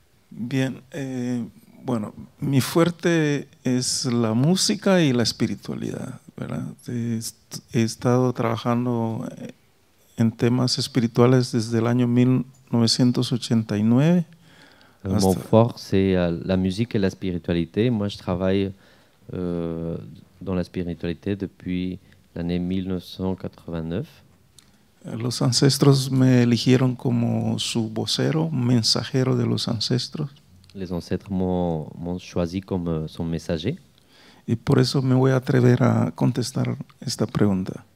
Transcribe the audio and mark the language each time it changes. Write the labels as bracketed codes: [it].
[es] Bien, bueno, mi fuerte es la música y la espiritualidad, ¿verdad? He estado trabajando en temas espirituales desde el año 1989. [fr] Mon fort, c'est la musique et la spiritualité. Moi, je travaille dans la spiritualité depuis l'année 1989. [es] Los ancestros me eligieron como su vocero, mensajero de los ancestros. [fr] Les ancêtres m'ont choisi comme son messager. [es] Y por eso me voy a atrever a contestar esta pregunta.